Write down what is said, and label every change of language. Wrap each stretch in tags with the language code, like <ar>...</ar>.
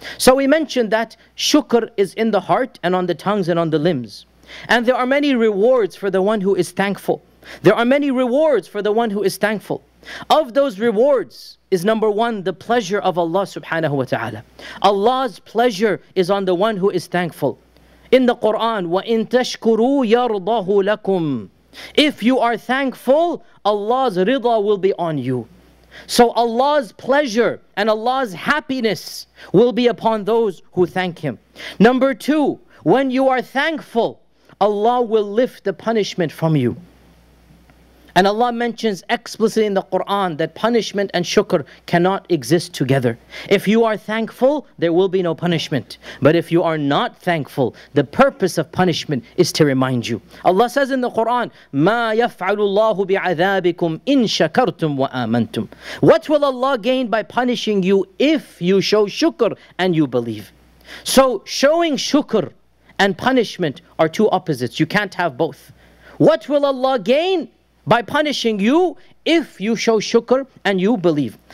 <en>So we mentioned that shukr is in the heart and on the tongues and on the limbs. And there are many rewards for the one who is thankful. There are many rewards for the one who is thankful. Of those rewards is number one, the pleasure of Allah subhanahu wa ta'ala. Allah's pleasure is on the one who is thankful.</en> <ar>In the Quran, وَإِن تَشْكُرُوا يَرْضَهُ لَكُمْ.</ar> <en>If you are thankful, Allah's rida will be on you. So Allah's pleasure and Allah's happiness will be upon those who thank Him. Number two, when you are thankful, Allah will lift the punishment from you. And Allah mentions explicitly in the Quran that punishment and shukr cannot exist together. If you are thankful, there will be no punishment. But if you are not thankful, the purpose of punishment is to remind you.</en> <ar>Allah says in the Quran, مَا يَفْعَلُ اللَّهُ بِعَذَابِكُمْ إِن شَكَرْتُمْ وَآمَنْتُمْ.</ar> <en>What will Allah gain by punishing you if you show shukr and you believe? So showing shukr and punishment are two opposites. You can't have both. What will Allah gain by punishing you if you show shukr and you believe?</en>